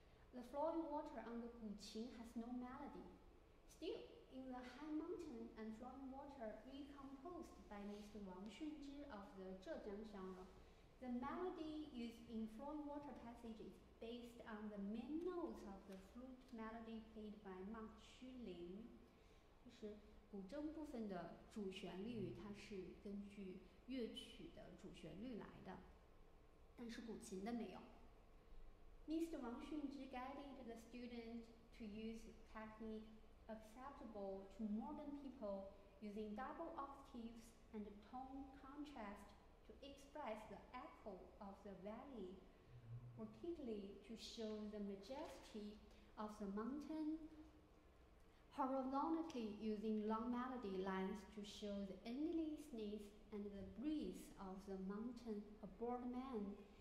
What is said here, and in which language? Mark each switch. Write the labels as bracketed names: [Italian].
[English] The flowing water on the Guqin has no melody. Still, in the high mountain and flowing water recomposed by Mr. Wang Xunzhi of the Zhejiang Xiangrou, the melody used in flowing water passages based on the main notes of the flute melody played by Ma Xulin. [Chinese] 就是古筝部分的主旋律它是根据乐曲的主旋律来的，但是古琴的没有。 [English] Mr. Wang Xunzhi guided the student to use technique acceptable to modern people using double octaves and tone contrast to express the echo of the valley, particularly to show the majesty of the mountain, horizontally using long melody lines to show the endlessness and the breeze of the mountain aboard man.